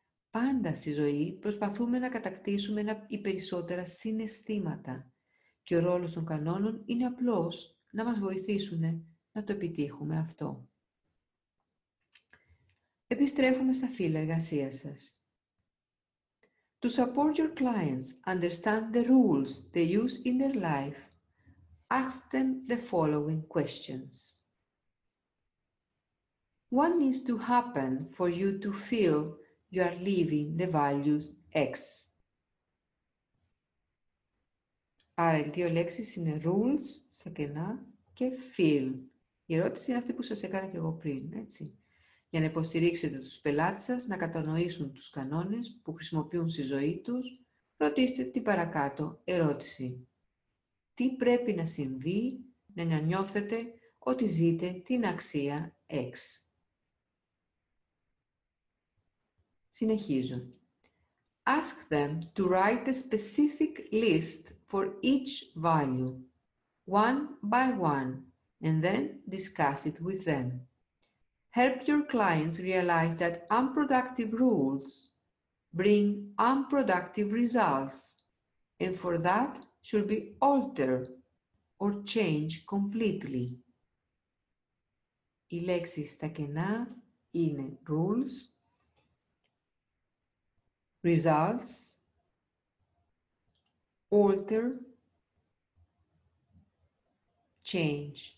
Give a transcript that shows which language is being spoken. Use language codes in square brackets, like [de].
[el] Πάντα στη ζωή προσπαθούμε να κατακτήσουμε ή περισσότερα συναισθήματα και ο ρόλος των κανόνων είναι απλώς να μας βοηθήσουν να το επιτύχουμε αυτό. Επιστρέφουμε στα φύλλα εργασίας σας. [en] To support your clients, understand the rules they use in their life. Ask them the following questions. What needs to happen for you to feel you are living the values X? [el] Άρα, οι δύο λέξεις είναι rules, στα κενά, και feel. Η ερώτηση είναι αυτή που σας έκανα και εγώ πριν, έτσι. Για να υποστηρίξετε τους πελάτες σας να κατανοήσουν τους κανόνες που χρησιμοποιούν στη ζωή τους, ρωτήστε την παρακάτω ερώτηση. Τι πρέπει να συμβεί για να νιώθετε ότι ζείτε την αξία X? Συνεχίζω. [en] Ask them to write a specific list for each value, one by one, and then discuss it with them. Help your clients realize that unproductive rules bring unproductive results, and for that should be altered or changed completely. [el] Οι λέξεις στα κενά είναι rules, results, alter, change.